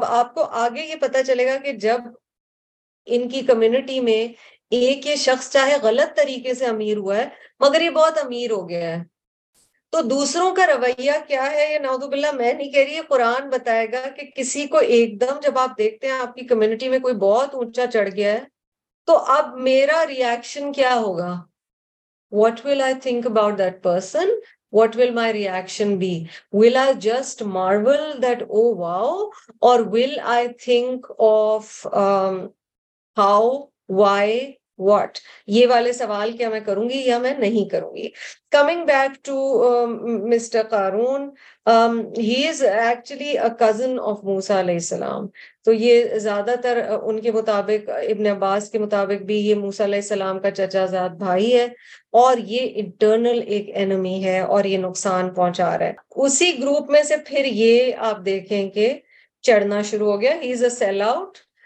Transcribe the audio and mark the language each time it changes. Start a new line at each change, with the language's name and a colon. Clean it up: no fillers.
Hindi: अब आपको आगे ये पता चलेगा कि जब इनकी कम्युनिटी में एक ये शख्स चाहे गलत तरीके से अमीर हुआ है, मगर ये बहुत अमीर हो गया है, तो दूसरों का रवैया क्या है? ये नाउदुबिल्ला मैं नहीं कह रही, ये कुरान बताएगा कि किसी को एकदम जब आप देखते हैं आपकी कम्युनिटी में कोई बहुत ऊंचा चढ़ गया है, तो अब मेरा रिएक्शन क्या होगा?
English: What will I think about that person? What will my reaction be? Will I just marvel that, oh wow? Or will I think of how, why, what?
Hindi: ये वाले सवाल क्या मैं करूंगी या मैं नहीं करूंगी?
English: Coming back to Mr. Karun, he is actually a cousin of Musa alayhi salam.
Hindi: तो ये ज्यादातर उनके मुताबिक, इब्न अब्बास के मुताबिक भी ये मूसा अलैहि सलाम का चचाजात भाई है, और ये इंटरनल एक एनिमी है और ये नुकसान पहुंचा रहा है। उसी ग्रुप में से फिर ये आप देखें कि चढ़ना शुरू हो गया,
English: He is a sell out.